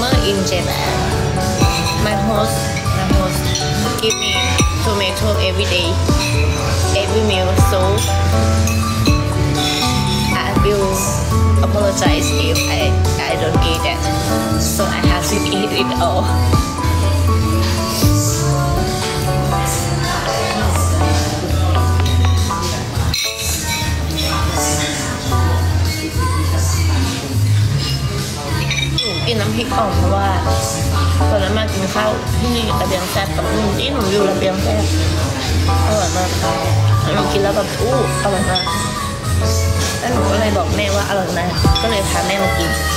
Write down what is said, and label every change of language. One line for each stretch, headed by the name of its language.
English: In Japan, my host give me tomato every day, every meal. So I will apologize if I don't eat that. So I have to eat it all.
Thai: กินน้ำพริกอ่อมเพราะว่าตอนนั้นมากินข้าวที่นี่ระเบียงแซ่บกับนี่หนูอยู่ระเบียงแซ่บอร่อยมากค่ะหนูกินแล้วแบบอู้อร่อยมากแล้วหนูก็เลยบอกแม่ว่าอร่อยนะก็เลยพาแม่มากิน